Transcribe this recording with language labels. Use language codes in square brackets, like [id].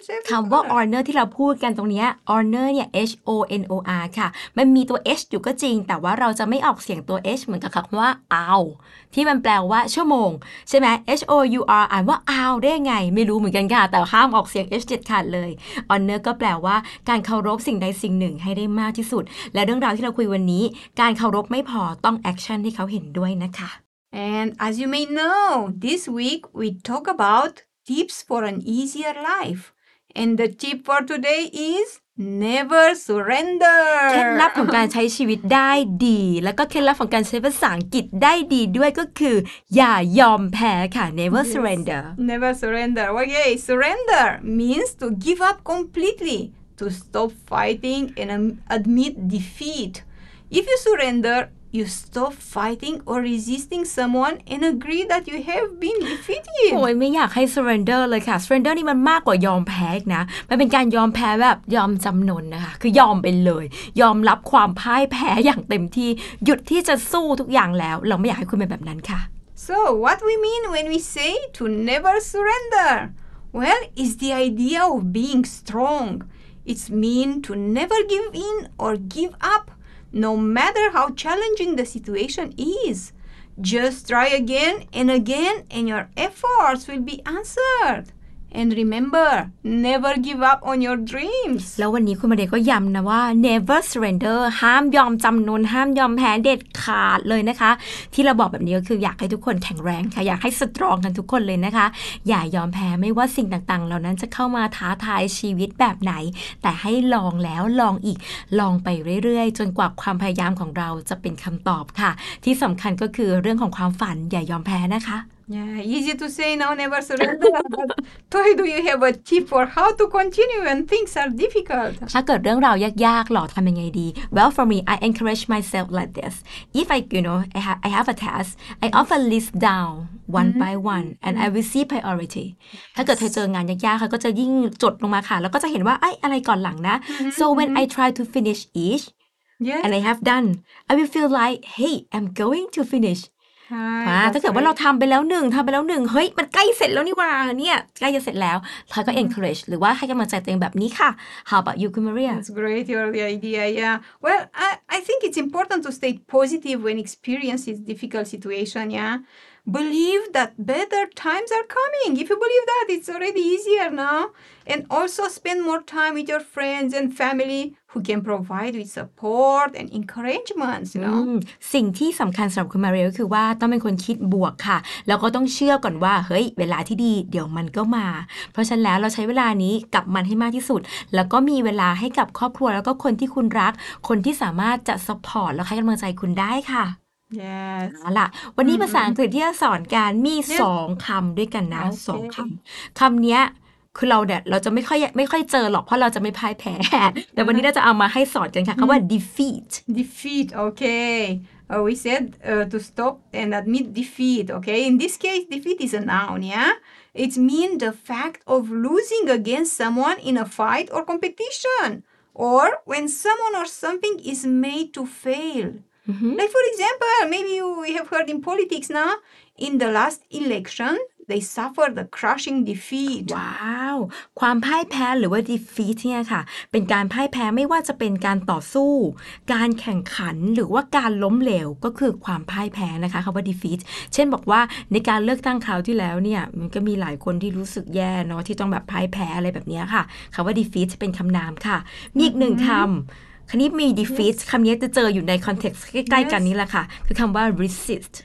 [th] คำว่า honor ที่เราพูดกันตรงนี้ honor เนี่ย H-O-N-O-R ค่ะมันมีตัว H อยู่ก็จริงแต่ว่าเราจะไม่ออกเสียงตัว H เหมือนกับคำว่า hour ที่มันแปลว่าชั่วโมงใช่ไหม H-O-U-R อ่านว่า hour ได้ยังไงไม่รู้เหมือนกันค่ะแต่ห้ามออกเสียง H เด็ดขาดเลย honor ก็แปลว่าการเคารพสิ่งใดสิ่งหนึ่งให้ได้มากที่สุดและเรื่องราวที่เราคุยวันนี้การเคารพไม่พอต้อง action ที่เขาเห็นด้วยนะคะ [en] and as you may know this week we talk aboutTips for an easier life. And the tip for today is never surrender. [th] เคล็ดลับของการใช้ชีวิตได้ดีแล้วก็เคล็ดลับของการใช้ภาษาอังกฤษได้ดีด้วยก็คืออย่ายอมแพ้ค่ะ [en] Never surrender. Never surrender. Okay, surrender means to give up completely, to stop fighting and admit defeat. If you surrender,You stop fighting or resisting someone and agree that you have been defeated. [th] โอ้ยไม่อยากให้ surrender เลยค่ะ surrender นี่มันมากกว่ายอมแพ้นะมันเป็นการยอมแพ้แบบยอมจำนนนะคะคือยอมไปเลยยอมรับความพ่ายแพ้อย่างเต็มที่หยุดที่จะสู้ทุกอย่างแล้วเราไม่อยากให้คุณเป็นแบบนั้นค่ะ [en] So what we mean when we say to never surrender? Well, it's the idea of being strong. It's mean to never give in or give up. No matter how challenging the situation is, just try again and again and your efforts will be answered. And remember, never give up on your dreams. [th] แล้ววันนี้คุณมาเดย์ก็ย้ำนะว่า [en] never surrender [th] ห้ามยอมจำนนห้ามยอมแพ้เด็ดขาดเลยนะคะที่เราบอกแบบนี้ก็คืออยากให้ทุกคนแข็งแรงค่ะอยากให้สตรองกันทุกคนเลยนะคะอย่ายอมแพ้ไม่ว่าสิ่งต่างๆเหล่านั้นจะเข้ามาท้าทายชีวิตแบบไหนแต่ให้ลองแล้วลองอีกลองไปเรื่อยๆจนกว่าความพยายามของเราจะเป็นคำตอบค่ะที่สำคัญก็คือเรื่องของความฝันอย่ายอมแพ้นะคะ [en] Yeah, easy to say now, never surrender. But Toy, do you have a tip for how to continue when things are difficult? [th] ถ้าเกิดเรื่องราวยากๆหล่อทำยังไงดี [en] Well, for me, I encourage myself like this. If I, you know, I have a task, I often list down one by one, and I will see priority. [th] ถ้าเกิดเธอเจองานยากๆเขาก็จะยิ่งจดลงมาค่ะแล้วก็จะเห็นว่าไอ้อะไรก่อนหลังนะ [en] So when I try to finish each, and I have done, I will feel like, hey, I'm going to finish. [th] ถ้าเกิดว่าเราทำไปแล้วหนึ่งเฮ้ยมันใกล้เสร็จแล้วนี่ว่าเนี่ยใกล้จะเสร็จแล้วทอยก็ encourage หรือว่าให้กำลังใจตัวเองแบบนี้ค่ะ [en] How about you, Kumaria? That's great, your idea, yeah. Well, I think it's important to stay positive when experiencing difficult situation, yeah. Believe that better times are coming. If you believe that, it's already easier now. And also spend more time with your friends and family. Who can provide with support and encouragement? You know, [th] สิ่งที่สำคัญสำหรับคุณมาเรียก็คือว่าต้องเป็นคนคิดบวกค่ะแล้วก็ต้องเชื่อก่อนว่าเฮ้ยเวลาที่ดีเดี๋ยวมันก็มาเพราะฉะนั้นแล้วเราใช้เวลานี้กับมันให้มากที่สุดแล้วก็มีเวลาให้กับครอบครัวแล้วก็คนที่คุณรักคนที่สามารถจะซัพพอร์ตแล้วให้กำลังใจคุณได้ค่ะ [en] Yes. [th] เอาล่ะวันนี้ภาษาอังกฤษที่จะสอนกันมี สองคำด้วยกันนะ [en] okay. [th] สองคำคำเนี้ยคือเราเนี่ยเราจะไม่ค่อยเจอหรอกเพราะเราจะไม่พ่ายแพ้แต่วันนี้เราจะเอามาให้สอนกันค่ะคำว่า defeat [en] okay we said to stop and admit defeat okay in this case defeat is a noun yeah it means the fact of losing against someone in a fight or competition or when someone or something is made to fail. Mm-hmm. Like, for example, maybe you have heard in politics now, in the last election, they suffered a crushing defeat. Wow! [th] ความพ่ายแพ้หรือว่า defeat เนี่ยค่ะเป็นการพ่ายแพ้ไม่ว่าจะเป็นการต่อสู้การแข่งขันหรือว่าการล้มเหลวก็คือความพ่ายแพ้นะคะคำว่า defeat เช่นบอกว่าในการเลือกตั้งคราวที่แล้วเนี่ยมันก็มีหลายคนที่รู้สึกแย่เนาะที่ต้องแบบพ่ายแพ้อะไรแบบนี้ค่ะคำว่า defeat จะเป็นคำนามค่ะมีอีกหนึ่งคำคราวนี้มี defeat คำนี้จะเจออยู่ในคอนเท็กซ์ใกล้ๆกันนี้แหละค่ะคือคำว่า resist